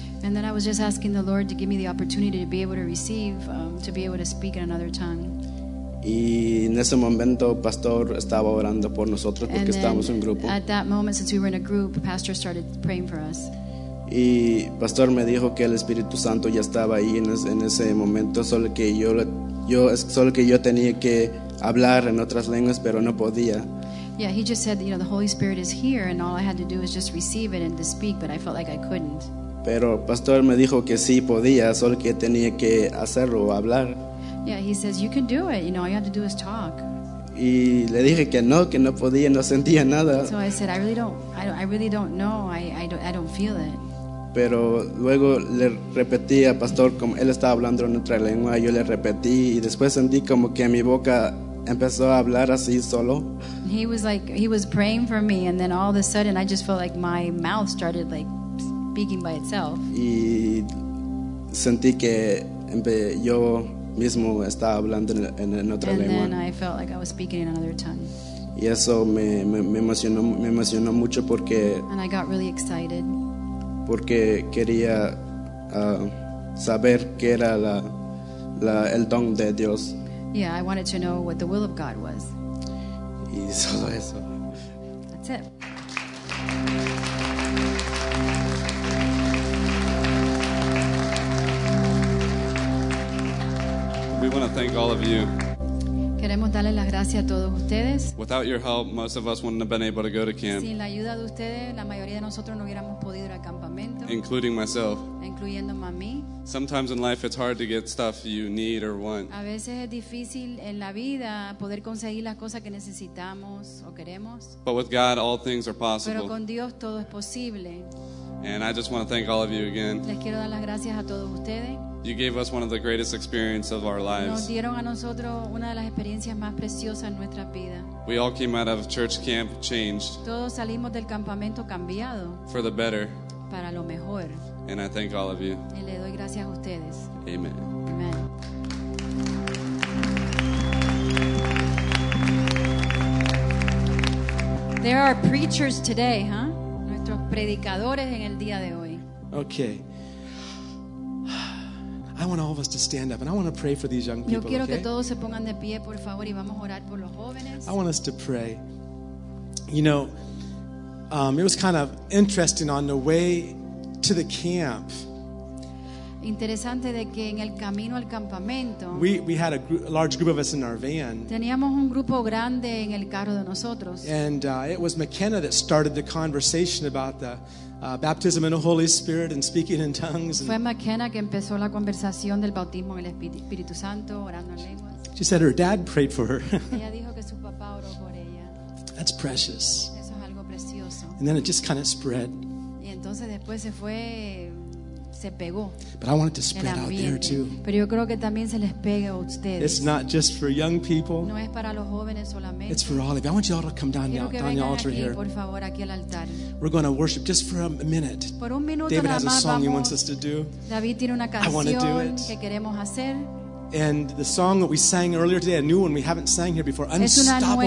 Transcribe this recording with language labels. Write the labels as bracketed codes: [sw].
[en] And then I was just asking the Lord to give me the opportunity to be able to receive, to be able to speak in another tongue. [es] Y en ese momento, Pastor estaba orando por nosotros porque estábamos en grupo. [en] At that moment, since we were in a group, Pastor started praying for us. [es] Y Pastor me dijo que el Espíritu Santo ya estaba ahí en ese momento, solo que yo tenía que hablar en otras lenguas, pero no podía. [en] Yeah, he just said, you know, the Holy Spirit is here, and all I had to do was just receive it and to speak, but I felt like I couldn't. [es] Pero Pastor me dijo que sí podía, solo que tenía que hacerlo o hablar. [en] Yeah, he says, you can do it, you know, all you have to do is talk. [es] Y le dije que no podía, no sentía nada. [en] So I said, I really don't know, I don't feel it. [es] Pero luego le repetí a Pastor, como él estaba hablando en otra lengua, yo le repetí, y después sentí como que mi boca empezó a hablar así solo. [en] He was like, he was praying for me, and then all of a sudden I just felt like my mouth started like speaking by itself. [es] Y sentí que yo mismo estaba hablando en otra [en] and [es] lengua. [en] And then I felt like I was speaking in another tongue. [es] Y eso me emocionó mucho porque. [en] And I got really excited. [es] Porque quería saber qué era el don de Dios. [en] Yeah, I wanted to know what the will of God was. [es] Y solo eso. [en] That's it. We want to thank all of you. [es] Queremos darle las gracias a todos ustedes. [en] Without your help, most of us wouldn't have been able to go to camp. [es] Sin la ayuda de ustedes, la mayoría de nosotros no hubiéramos podido ir al campamento. [en] Including myself. [es] Incluyéndome a mí. [en] Sometimes in life, it's hard to get stuff you need or want. [es] A veces es difícil en la vida poder conseguir las cosas que necesitamos o queremos. [en] But with God, all things are possible. [es] Pero con Dios todo es posible. [en] And I just want to thank all of you again. [es] Les quiero dar las gracias a todos ustedes. [en] You gave us one of the greatest experiences of our lives. [es] Nos dieron a nosotros una de las experiencias más preciosas en nuestra vida. [en] We all came out of church camp changed. [es] Todos salimos del campamento cambiado. [en] For the better. [es] Para lo mejor. [en] And I thank all of you. [es] Y le doy gracias a ustedes. [en] Amen. [es] Amen. [en] There are preachers today, huh? [es] Nuestros predicadores en el día de hoy. [en] Okay. I want all of us to stand up and I want to pray for these young people. [es] Yo quiero que todos se pongan de pie, por favor, y vamos a orar por los jóvenes. [en] I want us to pray. You know, it was kind of interesting on the way to the camp. [es] Interesante de que en el camino al campamento. [en] We had a large group of us in our van. [es] Teníamos un grupo grande en el carro de nosotros. [en] And it was McKenna that started the conversation about the baptism in the Holy Spirit and speaking in tongues. [es] Fue McKenna que empezó la conversación del bautismo en el Espíritu Santo, orando en lenguas. [en] She said her dad prayed for her. [es] Ella dijo que su papá oró por ella. [en] That's precious. [es] Eso es algo precioso. [en] And then it just kind of spread. [es] Y entonces después se fue, se pegó. [en] But I want it to spread out there too. [es] Pero yo creo que también se les pegue a ustedes. [en] It's not just for young people. [es] No es para los jóvenes solamente. [en] It's for all of you. I want you all to come down [es] quiero [en] now, down the altar [es] aquí, [en] here. [es] Por favor, aquí al altar. [en] We're going to worship just for a minute. [es] Por un minuto David nada [en] has a song [es] vamos, [en] he wants us to do. [es] David tiene una canción [en] I want to do it. [es] Que queremos hacer. [en] And the song that we sang earlier today, a new one we haven't sang here before, Unstoppable